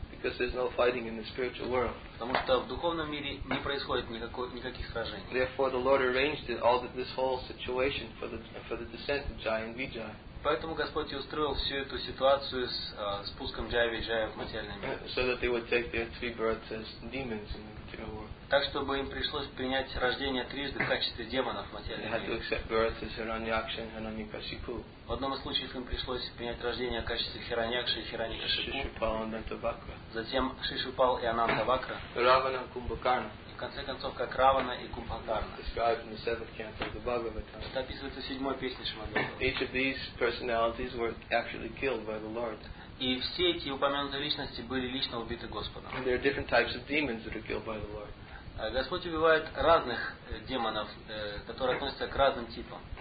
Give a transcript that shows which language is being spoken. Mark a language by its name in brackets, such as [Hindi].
[English] Because there's no fighting in the spiritual world. [Russian] Потому что в духовном мире не происходит никаких сражений. [English] Therefore, the Lord arranged it, all this whole situation for the descent of Jaya and Vijaya. [Russian] Поэтому Господь и устроил всю эту ситуацию с спуском Джая и Виджая в материальный мир. [English] So that they would take their three births as demons in the material world. [Russian] Так чтобы им пришлось принять рождение трижды в качестве демонов в материальном мире. [English] They had to accept birth as Hiranyaksha and Hiranyakashipu. [Russian] В одном из случаев им пришлось принять рождение в качестве Хираньякши и Хираньякашипу. Затем Шишупал и Ананта Вакра. Равана Кумбакарна. В конце концов, как Равана и Кумбхакарна. Это описывается в седьмой песне Шримад-Бхагаватама. И все эти упомянутые личности были лично убиты Господом. [English] There are different types of demons that are killed by the Lord. [Russian] Господь убивает разных демонов, которые относятся к разным типам.